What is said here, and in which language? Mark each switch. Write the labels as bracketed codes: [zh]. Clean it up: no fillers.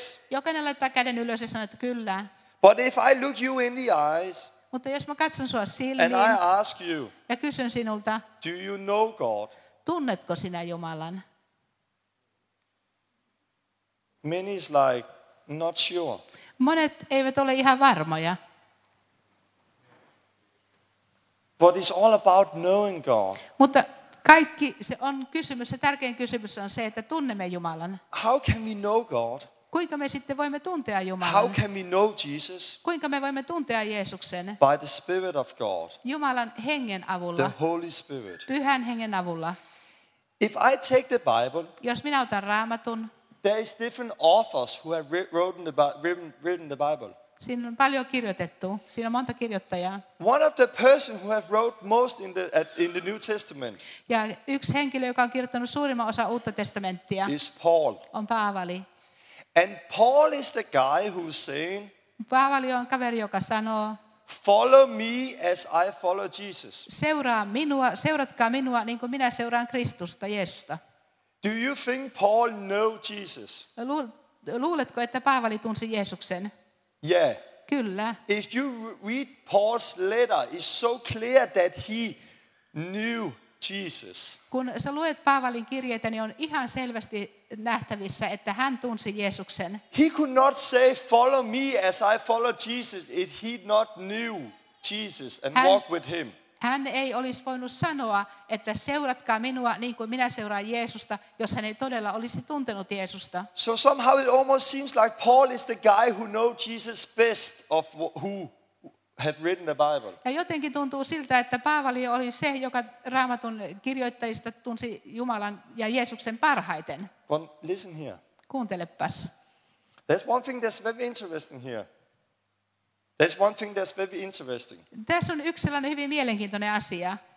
[fi] Jokainen laittaa käden ylös ja sanoo, että kyllä. [en] But if I look you in the eyes. [fi] Mutta jos minä katson sinua silmiin. [en] And I ask you. [fi] Ja kysyn sinulta, [en] do you know God? [fi] Tunnetko sinä Jumalan? [en] Many is like, not sure. [fi] Monet eivät ole ihan varmoja. [en] But it's all about knowing God. [fi] Mutta kaikki se on kysymys, se tärkein kysymys on se, että tunnemme Jumalan. [en] How can we know God? [fi] Kuinka me sitten voimme tuntea Jumalan? [en] How can we know Jesus? [fi] Kuinka me voimme tuntea Jeesuksen? [en] By the Spirit of God. [fi] Jumalan hengen avulla. [en] The Holy Spirit. [fi] Pyhän hengen avulla. [en] If I take the Bible. [fi] Jos minä otan Raamatun. [en] There is different authors who have written the Bible. [fi] Siinä on paljon kirjoitettu. Siinä on monta kirjoittajaa. [en] One of the person who have wrote most in the New Testament. [fi] Ja yksi henkilö, joka on kirjoittanut suurimman osa Uutta testamenttia. [en] Is Paul. [fi] On Paavali. [en] And Paul is the guy who's saying. [fi] Paavali on kaveri, joka sanoo. [en] Follow me as I follow Jesus. [fi] Seuraa minua, seuratkaa minua, niin kuin minä seuraan Kristusta, Jeesusta. [en] Do you think Paul knew Jesus? [fi] Luuletko, että Paavali tunsi Jeesuksen? [en] Yeah. [fi] Kyllä. [en] If you read Paul's letter, it's so clear that he knew Jesus. [fi] Kun sä luet Paavalin kirjeitä, niin on ihan selvästi nähtävissä, että hän tunsi Jeesuksen. [en] He could not say, follow me as I follow Jesus, if he not knew Jesus and walk with him. [fi] Hän ei olisi voinut sanoa, että seuratkaa minua niin kuin minä seuraan Jeesusta, jos hän ei todella olisi tuntenut Jeesusta. [en] So somehow it almost seems like Paul is the guy who knows Jesus best of who have written the Bible. [fi] Ja jotenkin tuntuu siltä, että Paavali oli se, joka Raamatun kirjoittajista tunsi Jumalan ja Jeesuksen parhaiten. [en] But listen here. [fi] Kuuntelepas. [en] There's one thing that's very interesting here. There's one thing that's very interesting. [fi] Tässä on yksi sellainen hyvin mielenkiintoinen asia.